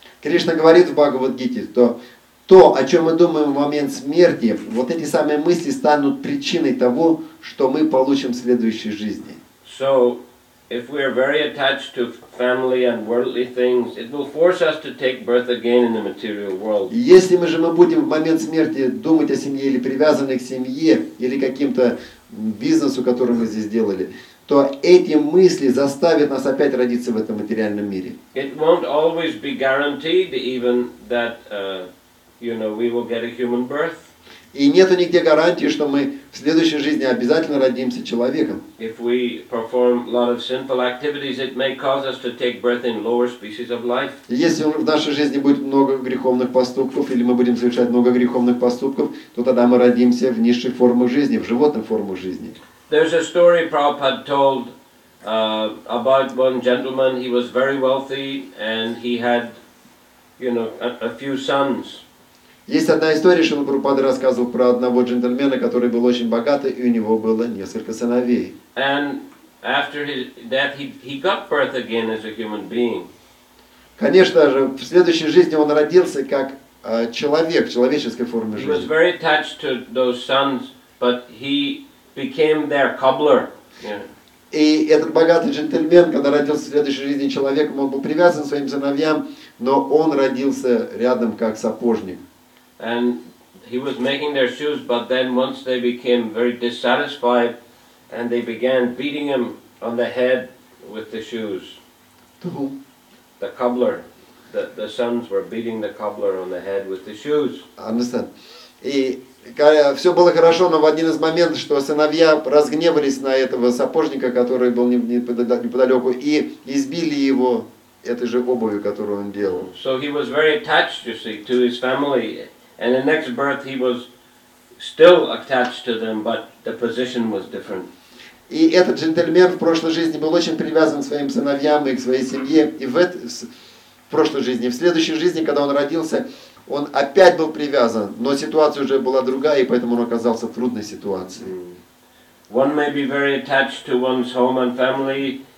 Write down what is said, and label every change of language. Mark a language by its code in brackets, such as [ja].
[ru] Кришна говорит в Бхагавад-гите, что то, о чем мы думаем в момент смерти, вот эти самые мысли станут причиной того, что мы получим в следующей жизни. [en] So, if we are very attached to family and worldly things, it will force us to take birth again in the material world. [ru] Если мы же мы будем в момент смерти думать о семье или привязаны к семье или каким-то бизнесу, который мы здесь делали, то эти мысли заставят нас опять родиться в этом материальном мире. [en] It won't always be guaranteed even that you know, we will get a human birth. [ru] И нету нигде гарантии, что мы в следующей жизни обязательно родимся человеком. [en] If we perform a lot of sinful activities, it may cause us to take birth in lower species of life. [ru] Если в нашей жизни будет много греховных поступков, или мы будем совершать много греховных поступков, то тогда мы родимся в низших формах жизни, в животных формах жизни. [en] There's a story Prabhupada told about one gentleman. He was very wealthy and he had, you know, a few sons. [ru] Есть одна история, что Прабхупада рассказывал про одного джентльмена, который был очень богатый, и у него было несколько сыновей. [en] And after his death, he got birth again as a human being. [ru] Конечно же, в следующей жизни он родился как человек, в человеческой форме жизни. [en] He was very attached to those sons, but he became their cobbler. [ru] И этот богатый джентльмен, когда родился в следующей жизни человеком, он был привязан к своим сыновьям, но он родился рядом как сапожник. [en] And he was making their shoes, but then once they became very dissatisfied, and they began beating him on the head with the shoes. To whom? The cobbler. The sons were beating the cobbler on the head with the shoes. I understand. [ru] И все было хорошо, но в один из моментов, что сыновья разгневались на этого сапожника, который был неподалеку, и избили его этой же обувью, которую он делал. [en] So he was very attached, you see, to his family. And the next birth he was still attached to them, but the position was different. [ru] И этот джентльмен в прошлой жизни был очень привязан к своим сыновьям и к своей семье. И в прошлой жизни, в следующей жизни, когда он родился, он опять был привязан, но ситуация уже была другая, и поэтому он оказался в трудной ситуации. [en] One may be very attached to one's home and family.